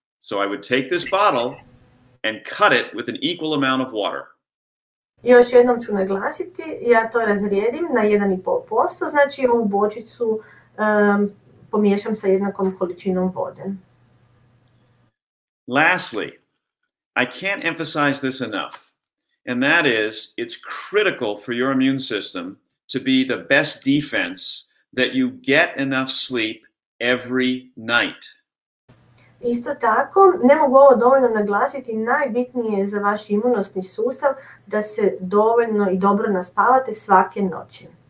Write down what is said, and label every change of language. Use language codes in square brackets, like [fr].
[en] So I would take this bottle and cut it with an equal amount of water. [hr] Još jednom ću naglasiti, ja to razrijedim na 1.5%, znači ovu bočicu pomiješam sa jednakom količinom vode. [en] Lastly, I can't emphasize this enough, and that is, it's critical for your immune system to be the best defense that you get enough sleep every night. [hr] Isto tako, ne mogu ovo dovoljno naglasiti, najbitnije je za vaš imunosni sustav da se dovoljno i dobro naspavate svake noći.